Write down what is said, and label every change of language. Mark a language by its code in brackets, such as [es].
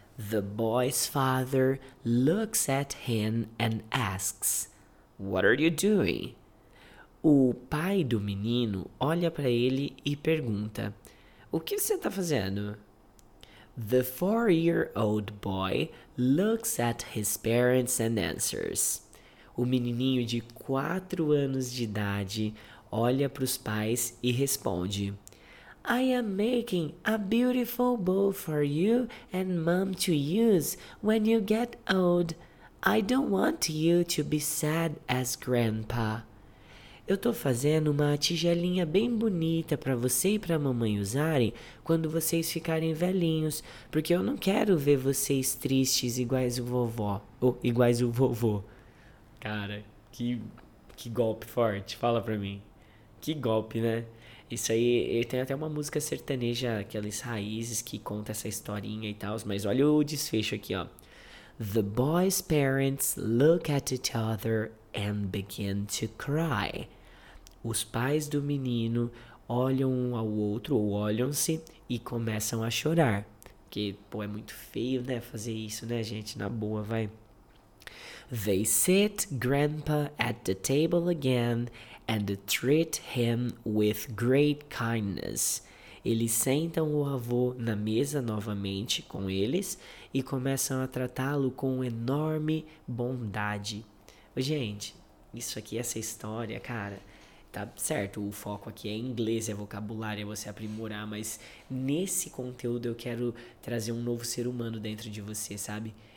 [en] The boy's father looks at him and asks, "What are you doing?" [pt] O pai do menino olha para ele e pergunta, "O que você está fazendo?" [en] The four-year-old boy looks at his parents and answers. [pt] O menininho de 4 anos de idade olha para os pais e responde, [en] "I am making a beautiful bowl for you and mom to use when you get old. I don't want you to be sad as grandpa." [pt] Eu tô fazendo uma tigelinha bem bonita para você e para mamãe usarem quando vocês ficarem velhinhos, porque eu não quero ver vocês tristes iguais o vovó, ou iguais o vovô. Cara, que golpe forte, fala pra mim. Que golpe, né? Isso aí, tem até uma música sertaneja, aquelas raízes, que conta essa historinha e tal, mas olha o desfecho aqui, ó. [en] The boy's parents look at each other and begin to cry. [pt] Os pais do menino olham um ao outro, ou olham-se, e começam a chorar. Porque, pô, é muito feio, né, fazer isso, né, gente? Na boa, vai. [en] They sit grandpa at the table again and treat him with great kindness. [pt] Eles sentam o avô na mesa novamente com eles e começam a tratá-lo com enorme bondade. Gente, isso aqui, essa história, cara, tá certo. O foco aqui é inglês, é vocabulário, é você aprimorar, mas nesse conteúdo eu quero trazer um novo ser humano dentro de você, sabe?